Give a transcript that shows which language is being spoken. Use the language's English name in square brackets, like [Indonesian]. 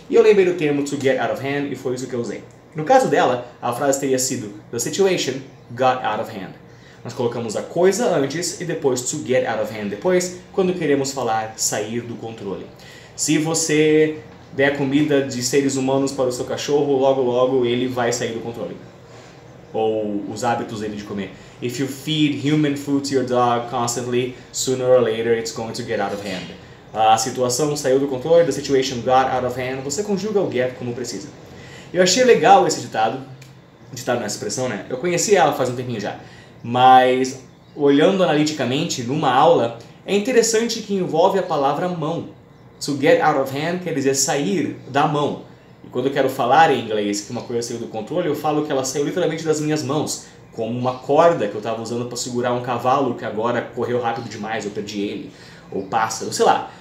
[Portuguese] E eu lembrei do termo [English] to get out of hand [Portuguese] e foi isso que eu usei. No caso dela, a frase teria sido [English] "The situation got out of hand." [Portuguese] Nós colocamos a coisa antes e depois [English] to get out of hand [Portuguese] depois, quando queremos falar sair do controle. Se você der comida de seres humanos para o seu cachorro, logo logo ele vai sair do controle. Ou os hábitos dele de comer. [English] If you feed human food to your dog constantly, sooner or later it's going to get out of hand. [Portuguese] A situação saiu do controle, [English] the situation got out of hand, [Portuguese] você conjuga o get como precisa. Eu achei legal esse ditado, nessa expressão, né? Eu conheci ela faz um tempinho já. Mas, olhando analiticamente, numa aula, é interessante que envolve a palavra mão. [English] To get out of hand [Portuguese] quer dizer sair da mão. E quando eu quero falar em inglês que uma coisa saiu do controle, eu falo que ela saiu literalmente das minhas mãos, como uma corda que eu estava usando para segurar um cavalo que agora correu rápido demais, eu perdi ele, ou pássaro, sei lá.